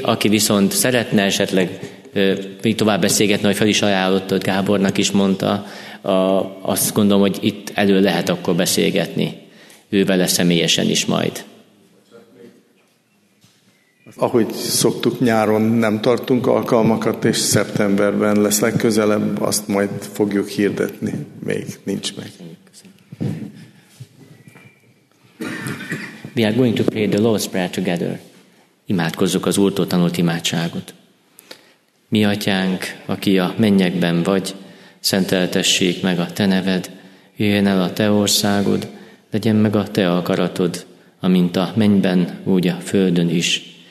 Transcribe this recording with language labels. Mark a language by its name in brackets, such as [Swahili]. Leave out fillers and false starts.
[Hungarian] Aki viszont szeretne esetleg még tovább beszélgetni, hogy fel is ajánlottad, Gábornak is mondta, azt gondolom, hogy itt elő lehet akkor beszélgetni ő vele személyesen is majd. Ahogy szoktuk, nyáron nem tartunk alkalmakat, és szeptemberben lesz legközelebb, azt majd fogjuk hirdetni, még nincs meg. [English] We are going to pray the Lord's Prayer together. [Hungarian] Imádkozzuk az Úrtól tanult imádságot. Mi atyánk, aki a mennyekben vagy, szenteltessék meg a te neved, jöjjön el a te országod, legyen meg a te akaratod, amint a mennyben, úgy a földön is.